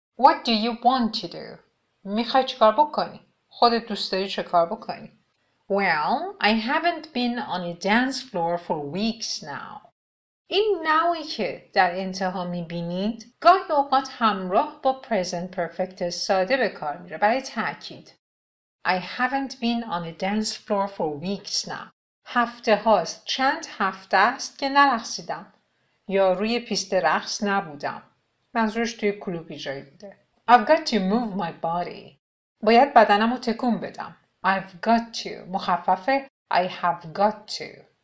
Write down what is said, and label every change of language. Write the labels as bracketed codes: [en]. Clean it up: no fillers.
[en] What do you want to do? [fa] میخوای چه کار بکنی؟ [en] خودت دوست داری چه کار بکنی؟ Well, I haven't been on a dance floor for weeks now. [fa] این now-ای که در انتها میبینید گاهی اوقات همراه با present perfect ساده به کار میره برای تأکید. [en] I haven't been on a dance floor for weeks now. [fa] هفته هاست. چند هفته است که نرقصیدم یا روی پیست رقص نبودم. منظورش توی کلوبی جایی بوده. [en] I've got to move my body. [fa] باید بدنم رو تکون بدم. [en] I've got to. [fa] مخففه [en] I have got to.